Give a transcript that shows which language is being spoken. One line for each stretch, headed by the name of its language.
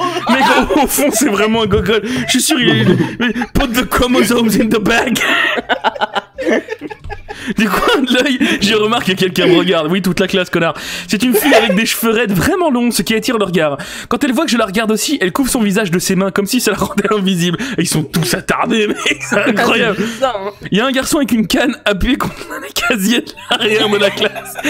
French: Mais au fond, c'est vraiment un gogol. Je suis sûr, il est...
English: Put the chromosomes in the bag.
French: Du coin de l'œil, je remarque que quelqu'un me regarde. Oui, toute la classe, connard. C'est une fille avec des cheveux raides vraiment longs, ce qui attire le regard. Quand elle voit que je la regarde aussi, elle couvre son visage de ses mains, comme si ça la rendait invisible. Ils sont tous attardés, mec, c'est incroyable. Il y a un garçon avec une canne appuyé contre un casier de l'arrière de la classe.